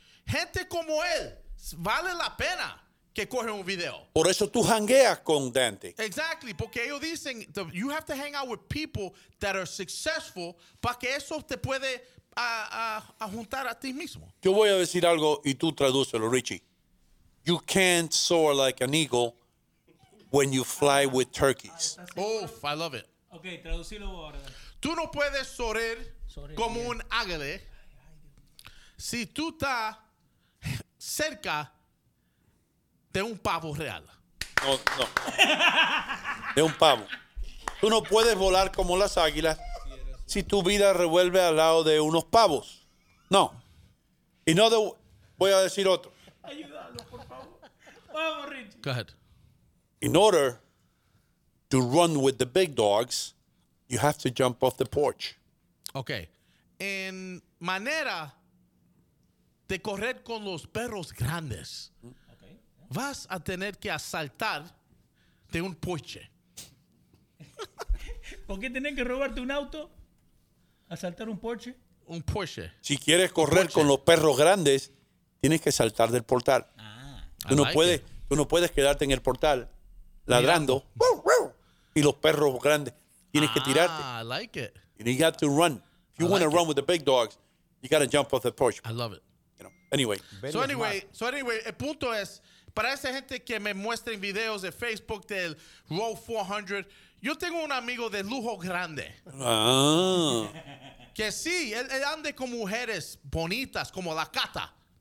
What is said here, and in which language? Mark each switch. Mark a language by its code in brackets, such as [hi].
[es] Gente como él, vale la pena que coge un video. Por eso tú jangueas con Dante. Exactly, porque ellos dicen, [en] you have to hang out with people that are successful [es] para que eso te puede a juntar a ti mismo. Yo voy a decir algo y tú tradúcelo, Richie. [en] You can't soar like an eagle when you fly with turkeys. Oof, I love it. [es] Ok, traducilo ahora. Tú no puedes soar como un águila si tú estás cerca de un pavo real. No, no. De un pavo. Tú no puedes volar como las águilas si tu vida revuelve al lado de unos pavos. No. Y no voy a decir otro. Ayúdalo, por favor. Vamos, Rich. [en] Go ahead. In order to run with the big dogs, you have to jump off the porch. Okay. [es] En manera de correr con los perros grandes, vas a tener que asaltar de un porche. ¿Por qué tener que robarte un auto? ¿Asaltar un porche? Un porche. Si quieres correr con los perros grandes, tienes que saltar del portal. Ah, tú, no like puedes, tú no puedes quedarte en el portal ladrando. Mirando. Y los perros grandes, tienes que tirarte. [en] I like it. You got to run. If you want to run with the big dogs, you got to jump off the porch. I love it. You know. Anyway. [es] So anyway, el punto es, para esa gente que me muestren videos de Facebook del Row 400, yo tengo un amigo de lujo grande. Ah. Que sí, él ande con mujeres bonitas, como la Cata.